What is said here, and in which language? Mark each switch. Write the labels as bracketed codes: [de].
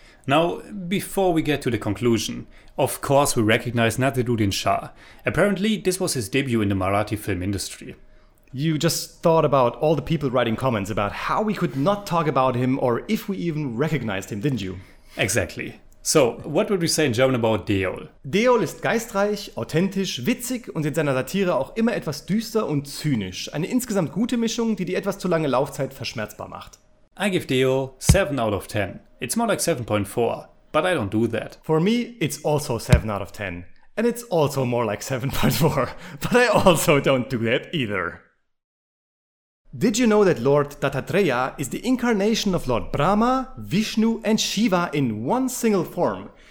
[en] Now, before we get to the conclusion, of course we recognize Nazirudin Shah. Apparently, this was his debut in the Marathi film industry. You just thought about all the people writing comments about how we could not talk about him or if we even recognized him, didn't you? Exactly. So, what would we say in German about Deool? [de] Deool ist geistreich, authentisch, witzig und in seiner Satire auch immer etwas düster und zynisch. Eine insgesamt gute Mischung, die die etwas zu lange Laufzeit verschmerzbar macht. [en] I give Deool 7 out of 10. It's more like 7.4, but I don't do that. For me, it's also 7 out of 10. And it's also more like 7.4, but I also don't do that either. Did you know that Lord Dattatreya is the incarnation of Lord Brahma, Vishnu and Shiva in one single form?